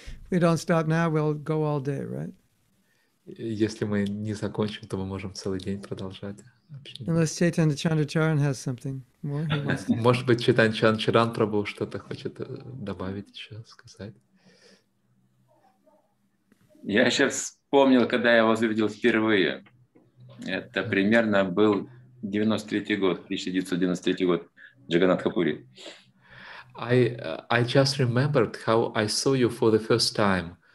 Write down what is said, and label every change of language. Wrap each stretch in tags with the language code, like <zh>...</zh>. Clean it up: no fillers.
<en>We don't stop now, we'll go all day, right?</en> <ru>Если мы не закончим, то мы можем целый день продолжать.</ru> <en>Unless Chaitanya Chandracharan has something more.</en> <ru>Может быть, Chaitanya Chandracharan Prabhu что-то хочет добавить еще, сказать. Я сейчас вспомнил, когда я вас увидел впервые. Это примерно был 93-й год, 1993 год, Джаганнатха Пури.</ru> <en>I just remembered how I saw you for the first time.</en>